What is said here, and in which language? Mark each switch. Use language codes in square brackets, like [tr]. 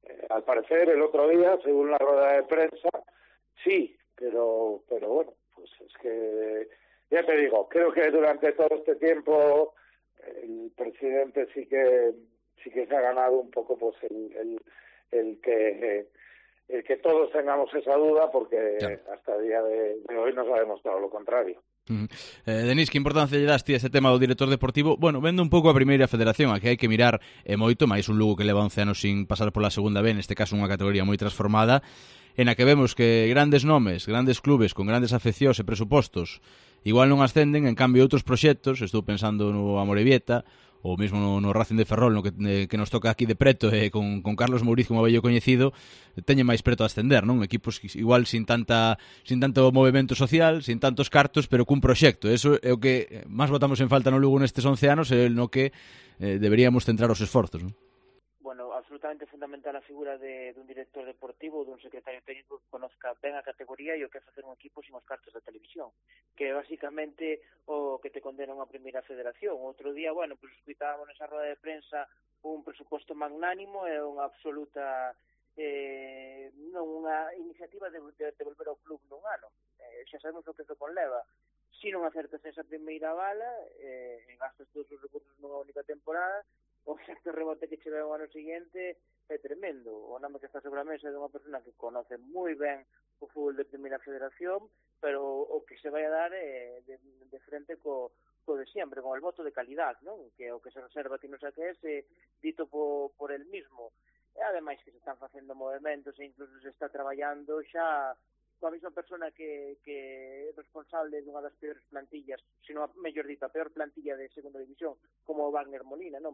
[es] Al parecer, el otro día, según la rueda de prensa, sí, pero bueno, pues es que, ya te digo, creo que durante todo este tiempo el presidente sí que se ha ganado un poco pues el que todos tengamos esa duda, porque claro, hasta el día de hoy nos ha demostrado lo contrario. [gl] Denis, que importancia lle das ti a ese tema do director deportivo? Bueno, vendo un pouco a Primeira Federación, a que hai que mirar moito, máis un Lugo que leva 11 anos sin pasar pola segunda B, neste caso unha categoría moi transformada, en a que vemos que grandes nomes, grandes clubes con grandes afeccións e presupostos igual non ascenden, en cambio outros proxectos, estou pensando no Amorebieta ou mesmo no Racing de Ferrol, no que nos toca aquí de preto, con Carlos Mouriz como vello coñecido, teñen máis preto a ascender, non? Equipos igual sin tanto movimento social, sin tantos cartos, pero cun proxecto. Eso é o que máis botamos en falta no Lugo nestes 11 anos, é no que deberíamos centrar os esforzos, non? Bueno, absolutamente fundamental a figura de un director deportivo, dun secretario técnico que conozca ben a categoría e o que é facer un equipo sin os cartos da televisión, que é basicamente o que te condena unha Primeira Federación. Outro día, bueno, pues escuitábamos nesa rueda de prensa un presupuesto magnánimo e unha absoluta unha iniciativa de volver ao club nun ano. Xa sabemos o que se conleva. Si non acertas esa primeira bala, gastas todos os recursos nunha única temporada, o efecto rebote que che ve o ano seguinte é tremendo. O nome que está sobre a mesa é dunha persona que conoce moi ben o fútbol de Primeira Federación, pero o que se vai a dar de frente co de sempre, [es] con el voto de calidad, [gl] non? Que o que se reserva que non saque ese, dito por el mismo. E ademais que se están facendo movimentos e incluso se está traballando xa coa mesma persona que é responsable dunha das peores plantillas, sino, mellor dito, a peor plantilla de segunda división, como Wagner Molina, non?